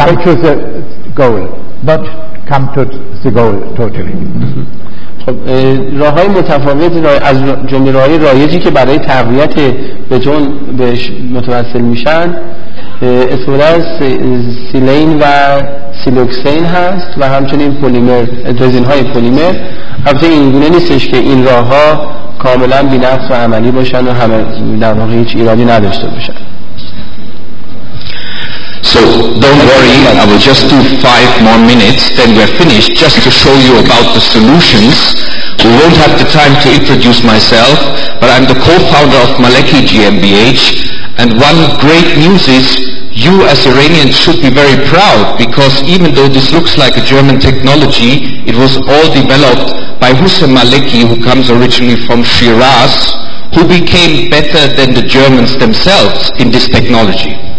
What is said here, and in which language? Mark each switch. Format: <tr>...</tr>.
<en>Come to the goal, not come to the goal totally.</en> <fa>خب راه‌های متفاوت از جمله راه‌های رایجی که برای تقویت بتون بهش متوسل میشن استفاده از سیلین و سیلوکسین هست و همچنین پلیمر، رزین‌های پلیمر. البته این گونه نیستش که این راه‌ها کاملا بی‌نقص و عملی باشن و همه در واقع هیچ ایرادی نداشته باشن.</fa> <en>So don't worry, I will just do 5 more minutes, then we're finished, just to show you about the solutions. We won't have the time to introduce myself, but I'm the co-founder of Maleki GmbH, and one great news is you as Iranians should be very proud, because even though this looks like a German technology, it was all developed by Hussein Maleki, who comes originally from Shiraz, who became better than the Germans themselves in this technology.</en>